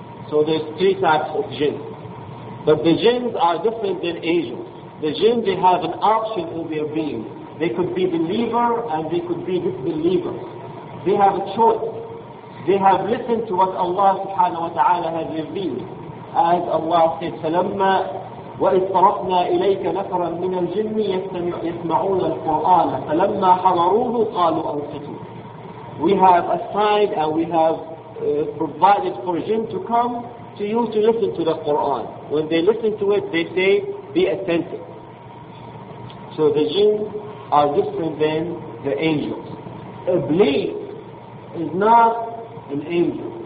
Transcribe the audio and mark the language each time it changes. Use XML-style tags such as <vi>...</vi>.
<en>So there's three types of jinn. But the jinns are different than angels. The jinn, they have an option in their being. They could be believer and they could be disbeliever. They have a choice. They have listened to what Allah subhanahu wa ta'ala has revealed. As Allah said,</en> <ar>فَلَمَّا وَإِذْ طَرَقْنَا إِلَيْكَ نَفَرًا مِنَ الْجِنِّ يَسْمَعُونَ الْقُرْآنَ فَلَمَّا حَضَرُوهُ قَالُوا أَنْصِتُوا.</ar> <en>We have assigned and we have provided for jinn to come to you to listen to the Qur'an. When they listen to it, they say, be attentive. So the jinn are different than the angels. Iblis is not an angel.</en>